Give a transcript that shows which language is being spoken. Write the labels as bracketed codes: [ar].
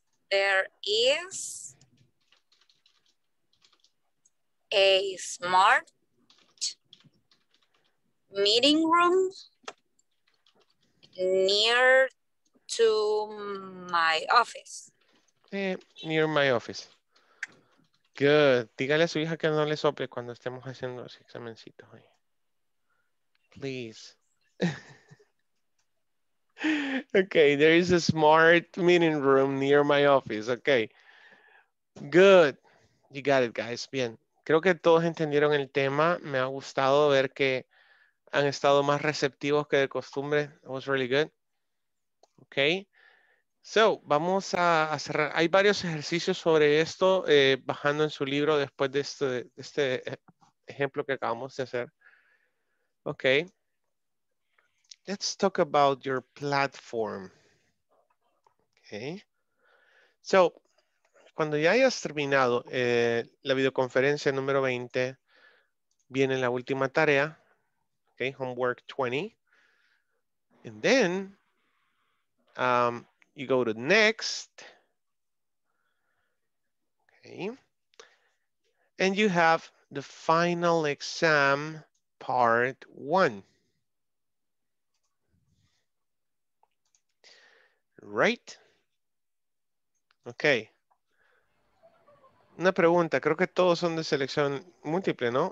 [en] There is a smart meeting room near to my office. Near my office. Good. [es] Dígale a su hija que no le sople cuando estemos haciendo los examencitos. [en] Please. Okay, there is a smart meeting room near my office. Okay. Good. You got it, guys. Bien. [es] Creo que todos entendieron el tema. Me ha gustado ver que han estado más receptivos que de costumbre. [en] That was really good. [es] Okay. So, vamos a cerrar. Hay varios ejercicios sobre esto bajando en su libro después de este ejemplo que acabamos de hacer. Okay. [en] Let's talk about your platform. Okay. [es] So, cuando ya hayas terminado la videoconferencia número 20, viene la última tarea. [en] Okay, homework 20. And then, you go to next, okay, and you have the final exam part one, right? Okay. [es] Una pregunta, creo que todos son de selección múltiple, ¿no?